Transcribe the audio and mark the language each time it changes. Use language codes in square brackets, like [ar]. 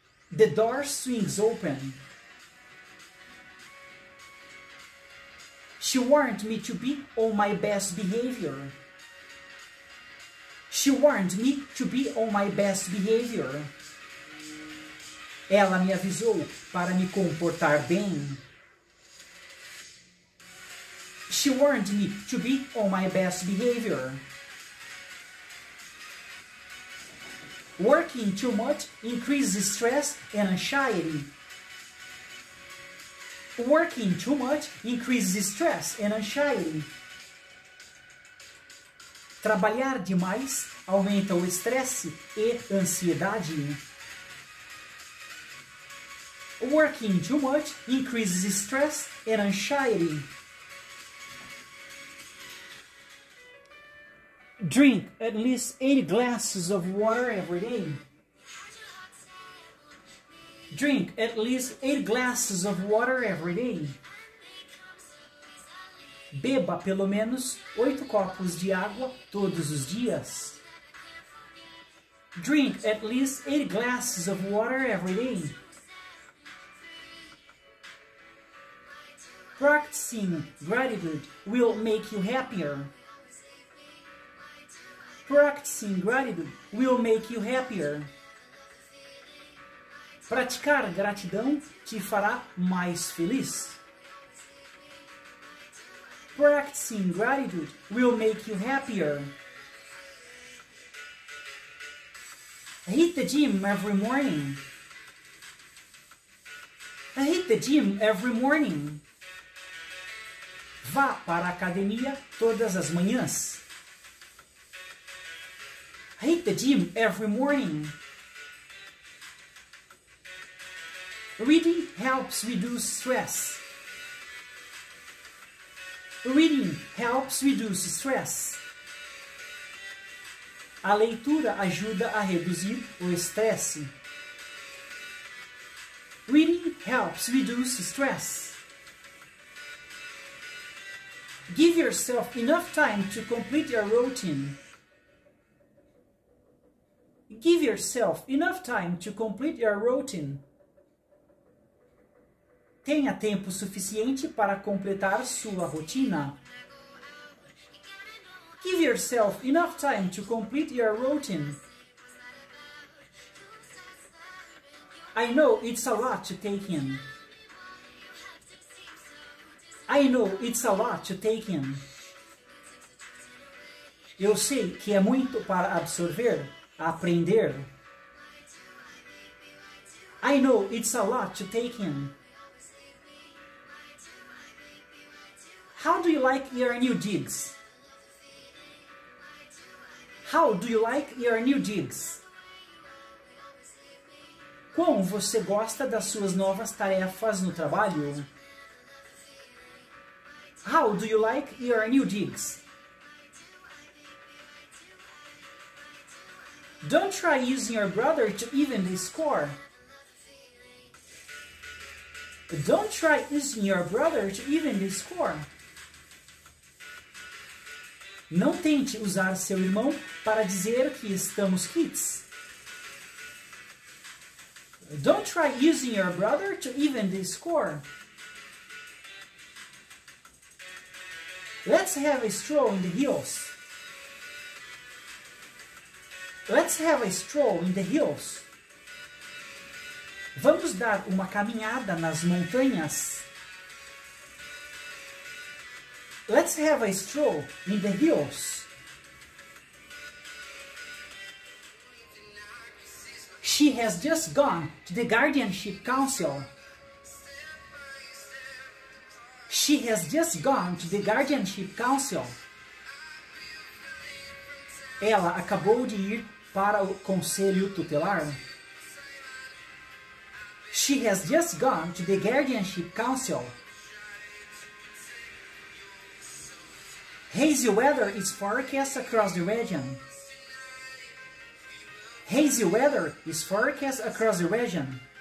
[en] The door swings open. She warned me to be on my best behavior. She warned me to be on my best behavior. [pt] Ela me avisou para me comportar bem. [en] She warned me to be on my best behavior. Working too much increases stress and anxiety. Working too much increases stress and anxiety. [pt] Trabalhar demais aumenta o estresse e ansiedade. [en] Working too much increases stress and anxiety. drink at least 80 glasses of water every day. Drink at least 8 glasses of water every day. [pt] Beba pelo menos 8 copos de água todos os dias. [en] Drink at least 8 glasses of water every day. Practicing gratitude will make you happier. Practicing gratitude will make you happier. [pt] Praticar gratidão te fará mais feliz. [en] Practicing gratitude will make you happier. Hit the gym every morning. Hit the gym every morning. [pt] Vá para a academia todas as manhãs. [en] Hit the gym every morning. Reading helps reduce stress. Reading helps reduce stress. [pt] A leitura ajuda a reduzir o estresse. [en] Reading helps reduce stress. Give yourself enough time to complete your routine. Give yourself enough time to complete your routine. [pt] Tenha tempo suficiente para completar sua rotina. [en] Give yourself enough time to complete your routine. I know it's a lot to take in. I know it's a lot to take in. [pt] Eu sei que é muito para absorver, aprender. [en] I know it's a lot to take in. How do you like your new digs? How do you like your new digs? [pt] Quão você gosta das suas novas tarefas no trabalho? [en] How do you like your new digs? Don't try using your brother to even the score. Don't try using your brother to even the score. [pt] Não tente usar seu irmão para dizer que estamos quites. [en] Don't try using your brother to even the score. Let's have a stroll in the hills. Let's have a stroll in the hills. [pt] Vamos dar uma caminhada nas montanhas. [en] Let's have a stroll in the hills. She has just gone to the guardianship council. She has just gone to the guardianship council. [pt] Ela acabou de ir para o conselho tutelar. [en] She has just gone to the guardianship council. Hazy weather is forecast across the region. Hazy weather is forecast across the region.